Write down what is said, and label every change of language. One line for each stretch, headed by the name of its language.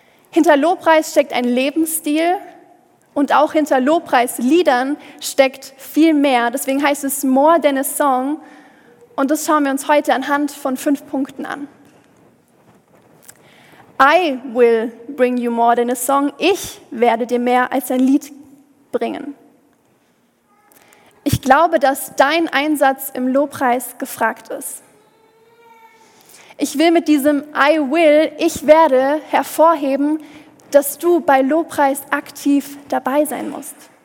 German: Hinter Lobpreis steckt ein Lebensstil und auch hinter Lobpreisliedern steckt viel mehr. Deswegen heißt es More Than a Song und das schauen wir uns heute anhand von 5 Punkten an.
English: I will bring you more than a song.
German: Ich werde dir mehr als ein Lied bringen. Ich glaube, dass dein Einsatz im Lobpreis gefragt ist. Ich will mit diesem I will, ich werde, hervorheben, dass du bei Lobpreis aktiv dabei sein musst.